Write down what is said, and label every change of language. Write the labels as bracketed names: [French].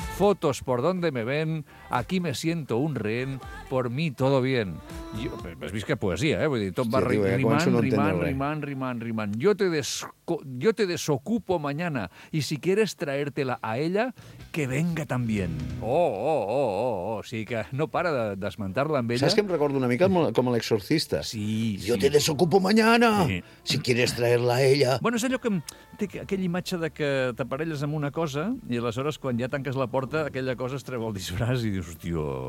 [Spanish] Fotos por donde me ven, aquí me siento un rehén, por mí todo bien. [Catalan] Yo, has vist que poesia, eh? Vull dir, tot va rimant. [Spanish] Yo te desocupo mañana, y si quieres traértela a ella, que venga también. [Catalan] Oh, o sigui que no para de desmantar-la amb ella. Saps que em recordo una mica com a l'exorcista? Sí. [Spanish] Yo te desocupo mañana, si quieres traerla a ella. [Catalan] Bueno, és allò que té aquella imatge de que t'aparelles amb una cosa i aleshores quan ja tanques la porta aquella cosa es treu el disfraç i dius, hòstia...